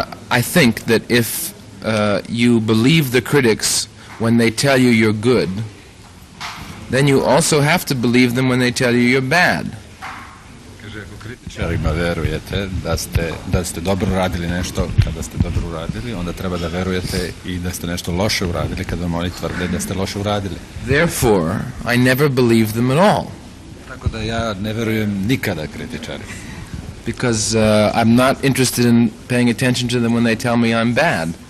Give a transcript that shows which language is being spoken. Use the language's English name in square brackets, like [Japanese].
[English] I think that if you believe the critics when they tell you you're good, then you also have to believe them when they tell you you're bad. [Serbian] Kaže, ako kritičarima verujete da ste dobro radili nešto kada ste dobro uradili, onda treba da verujete i da ste nešto loše uradili kada vam oni tvrde da ste loše uradili. [English] Therefore, I never believe them at all. [Serbian] Tako da ja ne verujem nikada kritičarima. [English] Because I'm not interested in paying attention to them when they tell me I'm bad.